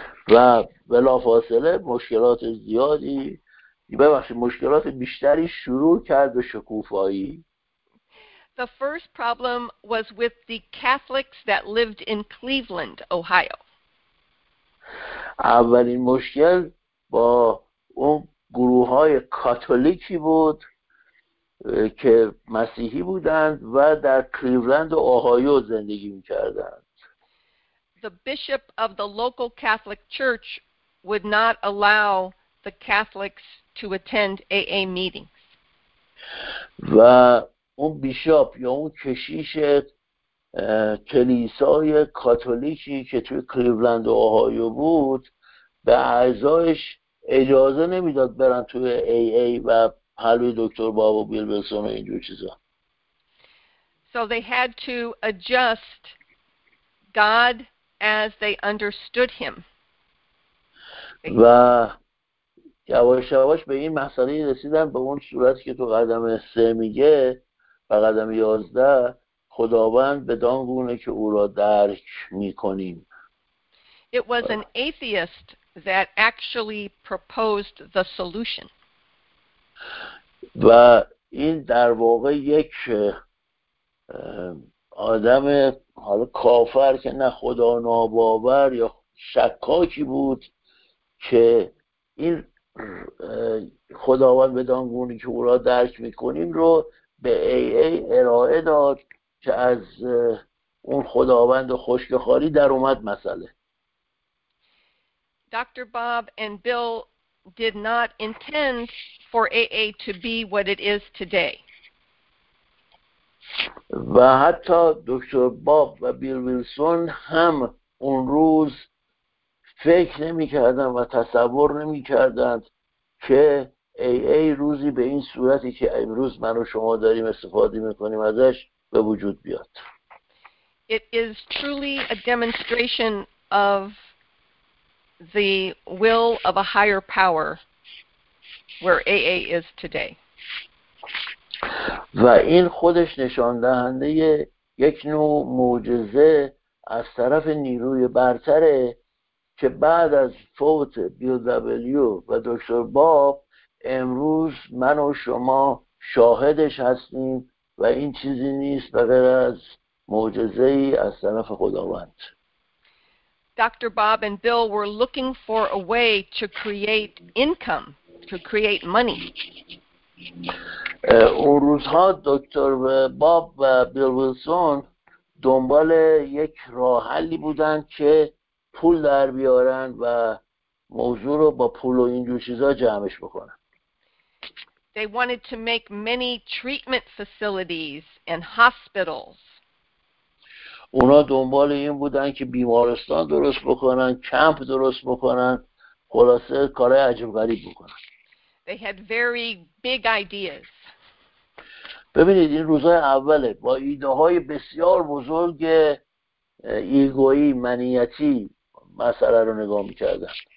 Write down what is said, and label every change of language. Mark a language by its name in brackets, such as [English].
[Persian] و بلافاصله مشکلات زیادی، ببخشید مشکلات بیشتری شروع کرد به شکوفایی. [English] The first problem was with the Catholics that lived in Cleveland, Ohio. [Persian] اولین مشکل با اون گروه‌های کاتولیکی بود که مسیحی بودند و در کلیولند و اوهایو زندگی می‌کردند. [English] The bishop of the local Catholic church would not allow the Catholics to attend AA meetings. [Persian] و اون بیشاپ یا اون کشیش کلیسای کاتولیکی که توی کلیولند و اوهایو بود به اعضایش اجازه نمیداد برن توی AA و حلوی دکتر بابو بیل ویلسون و اینجور چیزا. [English] So they had to adjust God as they understood him. [Persian] و یواش یواش به این مسئله رسیدن به اون صورتی که تو قدم 3 میگه و قدم 11 خداوند بدان گونه که او را درک میکنیم. [English] It was an atheist that actually proposed the solution. [Persian] و این در واقع یک آدم حالا کافر که نه خدا ناباور یا شکاکی بود که این خداوند بدان گونه که او را درک میکنیم رو به AA ارائه داد که از اون خداوند خشک خاری در اومد مسئله. دکتر باب و بیل [English] did not intend for AA to be what it is today. [Persian] و حتی دکتر باب و بیل ویلسون هم اون روز فکر نمی کردن و تصور نمی کردن که AA روزی به این صورتی که امروز من و شما داریم استفاده می کنیم ازش به وجود بیاد. [English] It is truly a demonstration of the will of a higher power where AA is today. [Persian] و این خودش نشان دهنده یک نوع معجزه از طرف نیروی برتره که بعد از فوت بیل دبلیو و دکتر باب امروز من و شما شاهدش هستیم و این چیزی نیست بغیر از معجزه ای از طرف خداوند. [English] Dr. Bob and Bill were looking for a way to create income, to create money. [Persian] اون روزها دکتر باب و بیل ویلسون دنبال یک راه حلی بودن که پول در بیارن و موضوع رو با پول و اینجور چیزا جمعش بکنن. [English] They wanted to make many treatment facilities and hospitals. [Persian] اونا دنبال این بودن که بیمارستان درست بکنن، کمپ درست بکنن، خلاصه کارهای عجب غریب بکنن. [English] They had very big ideas. [Persian] ببینید این روزهای اوله با ایده های بسیار بزرگ ایگویی منیتی مسئله رو نگاه می‌کردن.